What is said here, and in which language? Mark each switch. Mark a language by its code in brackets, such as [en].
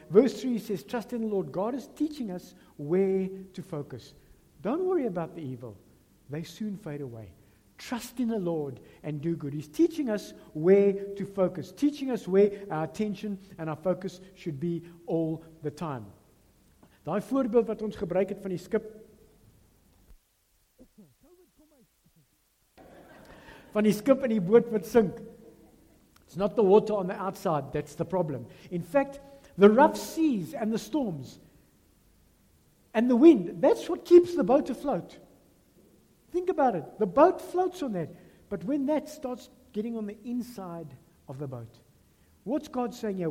[en] Verse 3, he says, trust in the Lord. God is teaching us where to focus. Don't worry about the evil. They soon fade away. Trust in the Lord and do good. He's teaching us where to focus, teaching us where our attention and our focus should be all the time. [af] Daai voorbeeld wat ons gebruik het van die skip. COVID van die skip in die boot wat sink. [en] It's not the water on the outside that's the problem. In fact, the rough seas and the storms and the wind, that's what keeps the boat afloat. Think about it. The boat floats on that. But when that starts getting on the inside of the boat, what's God saying here?